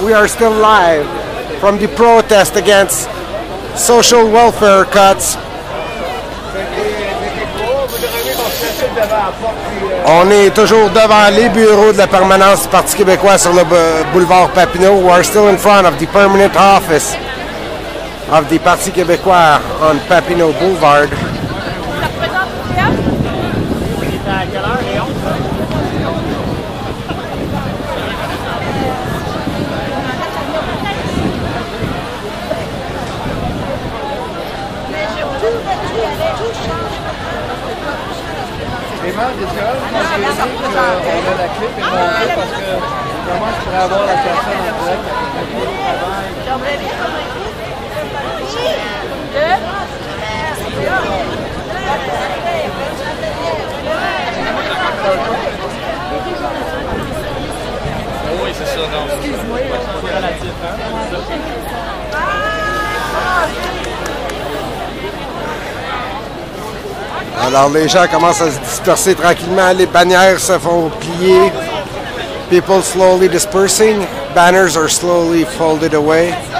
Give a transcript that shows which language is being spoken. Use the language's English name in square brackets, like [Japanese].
[English] We are still live from the protest against social welfare cuts. [French] On est toujours devant les bureaux de la permanence du Parti québécois sur le boulevard Papineau. [English] We are still in front of the permanent office of the Parti québécois on Papineau Boulevard. [French] Alors les gens commencent à se disperser tranquillement, les bannières se font plier. [English] People slowly dispersing, banners are slowly folded away.